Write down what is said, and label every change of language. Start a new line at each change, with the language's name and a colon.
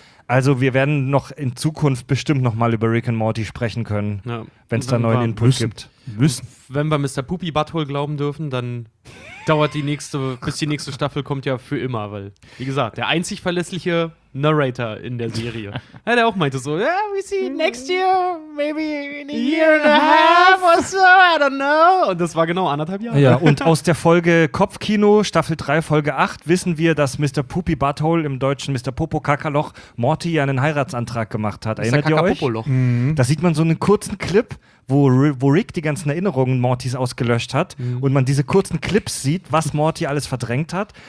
German: Also wir werden noch in Zukunft bestimmt noch mal über Rick and Morty sprechen können, wenn es da neuen Input gibt. Müssen. Wenn wir Mr. Poopy Butthole glauben dürfen, dann dauert die nächste, bis die nächste Staffel kommt ja für immer, weil, wie gesagt, der einzig verlässliche Narrator in der Serie. Ja, der auch meinte so,
English: yeah, we see next year, maybe in a year and a half or so, I don't know.
German: Und das war genau 1,5 Jahre. Ja, und aus der Folge Kopfkino, Staffel 3, Folge 8, wissen wir, dass Mr. Poopy Butthole im Deutschen Mr. Popo Kakaloch Morty einen Heiratsantrag gemacht hat. Erinnert ihr euch? Da sieht man so einen kurzen Clip, wo Rick die ganzen Erinnerungen Mortys ausgelöscht hat und man diese kurzen Clips sieht, was Morty alles verdrängt hat.